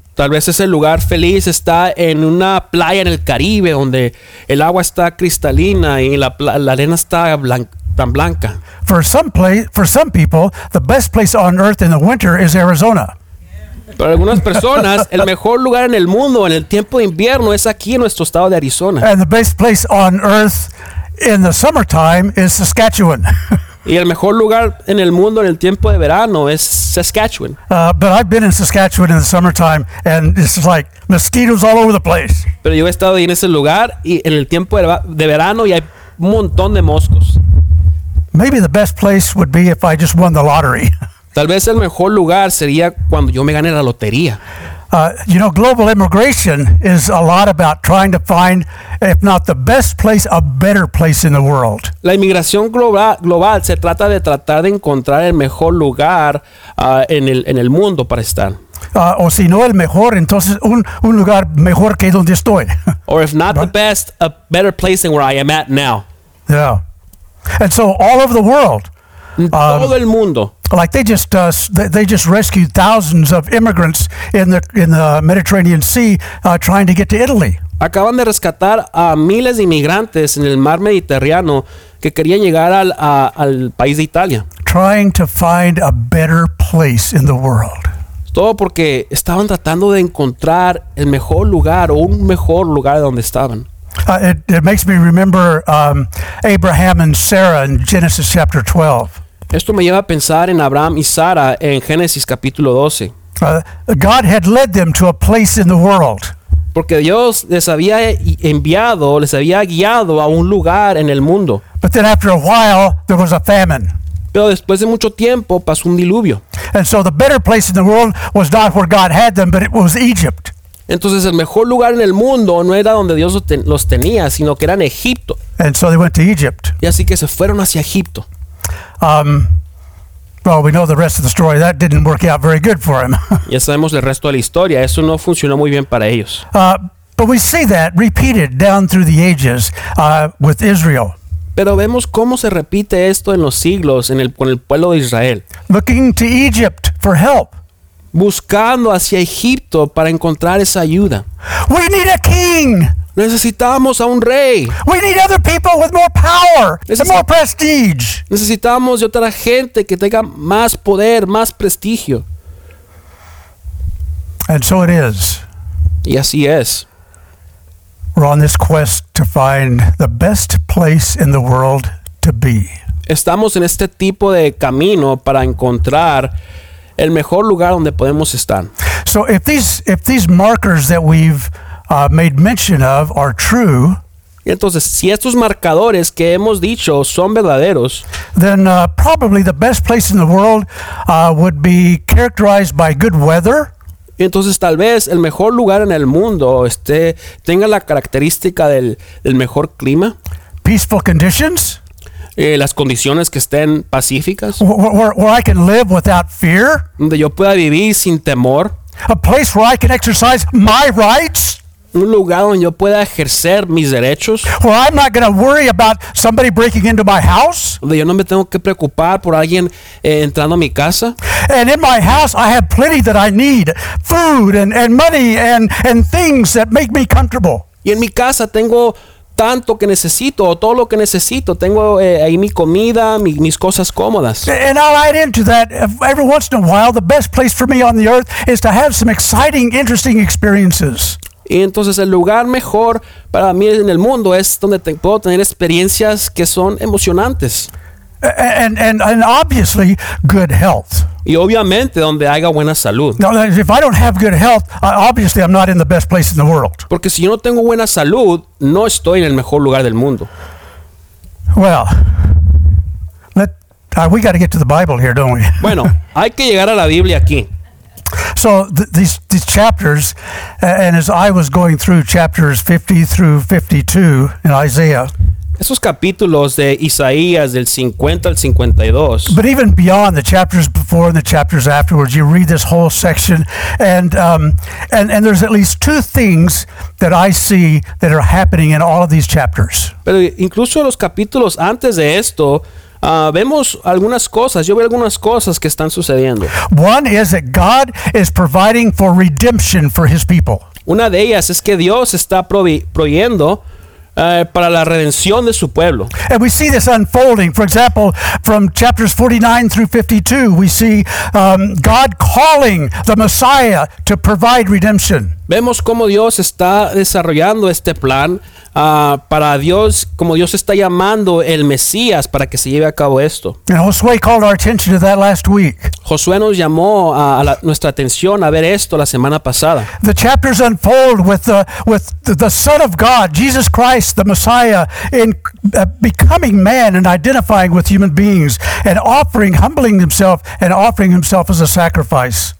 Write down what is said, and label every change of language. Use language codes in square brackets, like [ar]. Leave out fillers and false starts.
[es] Tal vez ese lugar feliz está en una playa en el Caribe donde el agua está cristalina y la arena está tan blanca. [en] For some people, the best place on earth in the winter is Arizona. [es] Para algunas personas, el mejor lugar en el mundo en el tiempo de invierno es aquí en nuestro estado de Arizona. [en] And the best place on earth in the summertime is Saskatchewan. [es] Y el mejor lugar en el mundo en el tiempo de verano es Saskatchewan. [en] But I've been in Saskatchewan in the summertime, and it's like mosquitoes all over the place. [es] Pero yo he estado ahí en ese lugar y en el tiempo de verano y hay un montón de moscos. [en] Maybe the best place would be if I just won the lottery. [es] Tal vez el mejor lugar sería cuando yo me gane la lotería. [en] You know, global immigration is a lot about trying to find, if not the best place, a better place in the world. [es] La inmigración global se trata de tratar de encontrar el mejor lugar en el mundo para estar. O si no el mejor, entonces un lugar mejor que donde estoy. [en] Or if not the best, a better place than where I am at now. Yeah. And so all over the world. [es] Todo el mundo. [en] Like they just rescued thousands of immigrants in the Mediterranean Sea trying to get to Italy. [es] Acaban de rescatar a miles de inmigrantes en el mar Mediterráneo que querían llegar al país de Italia. [en] Trying to find a better place in the world. [es] Todo porque estaban tratando de encontrar el mejor lugar o un mejor lugar donde estaban. [en] It makes me remember Abraham and Sarah in Genesis chapter 12. [es] Esto me lleva a pensar en Abraham y Sara en Génesis capítulo 12. [en] God had led them to a place in the world. [es] Porque Dios les había enviado, les había guiado a un lugar en el mundo. [en] But then after a while, there was a famine. [es] Pero después de mucho tiempo pasó un diluvio. [en] And so the better place in the world was not where God had them, but it was Egypt. [es] Entonces el mejor lugar en el mundo no era donde Dios los tenía, sino que era en Egipto. [en] And so they went to Egypt. [es] Y así que se fueron hacia Egipto. [en] We know the rest of the story. That didn't work out very good for him. [es] Ya sabemos el resto de la historia. Eso no funcionó muy bien para ellos. [en] But we see that repeated down through the ages with Israel. [es] Pero vemos cómo se repite esto en los siglos con el pueblo de Israel. [en] Looking to Egypt for help. [es] Buscando hacia Egipto para encontrar esa ayuda. [en] We need a king. [es] Necesitamos a un rey. [en] We need other people with more power and more prestige. [es] Necesitamos de otra gente que tenga más poder, más prestigio. [en] And so it is. [es] Y así es. [en] We're on this quest to find the best place in the world to be. [es] Estamos en este tipo de camino para encontrar el mejor lugar donde podemos estar. [en] So if these markers that we've made mention of are true. [es] Entonces, si estos marcadores que hemos dicho son verdaderos, [en] then probably the best place in the world would be characterized by good weather. [es] Entonces, tal vez el mejor lugar en el mundo tenga la característica del mejor clima. [en] Peaceful conditions. [es] Las condiciones que estén pacíficas. [en] Where I can live without fear. [es] Donde yo pueda vivir sin temor. [en] A place where I can exercise my rights. [es] Un lugar donde yo pueda ejercer mis derechos. [en] Where I'm not going to worry about somebody breaking into my house. [es] Donde yo no me tengo que preocupar por alguien entrando a mi casa. [en] And in my house I have plenty that I need. Food and money and things that make me comfortable. [es] Y en mi casa tengo tanto que necesito, o todo lo que necesito. Tengo ahí mi comida, mis cosas cómodas. [en] And I'll add into that, every once in a while, the best place for me on the earth is to have some exciting, interesting experiences. [es] Y entonces el lugar mejor para mí en el mundo es donde puedo tener experiencias que son emocionantes. [en] And obviously, good health. [es] Y obviamente donde haya buena salud. [en] Now, if I don't have good health, obviously I'm not in the best place in the world. [es] Porque si yo no tengo buena salud, no estoy en el mejor lugar del mundo. [en] Well, we got to get to the Bible here, don't we? [es] Bueno, hay que llegar a la Biblia aquí. [en] So these chapters, and as I was going through chapters 50 through 52 in Isaiah. [es] Esos capítulos de Isaías del 50 al 52. [en] But even beyond the chapters before and the chapters afterwards, you read this whole section, and there's at least two things that I see that are happening in all of these chapters. [es] Pero incluso los capítulos antes de esto, Vemos algunas cosas. Yo veo algunas cosas que están sucediendo. [en] One is that God is providing for redemption for His people. [es] Una de ellas es que Dios está proveyendo para la redención de su pueblo. [en] And we see this unfolding. For example, from chapters 49 through 52, we see God calling the Messiah to provide redemption. [es] Vemos cómo Dios está desarrollando este plan para Dios, como Dios está llamando el Mesías para que se lleve a cabo esto. [en] And Josué called our attention to that last week. [es] Josué nos llamó nuestra atención a ver esto la semana pasada. [en] The chapters unfold with the Son of God, Jesus Christ, the Messiah, in becoming man and identifying with human beings and offering, humbling himself and offering himself as a sacrifice.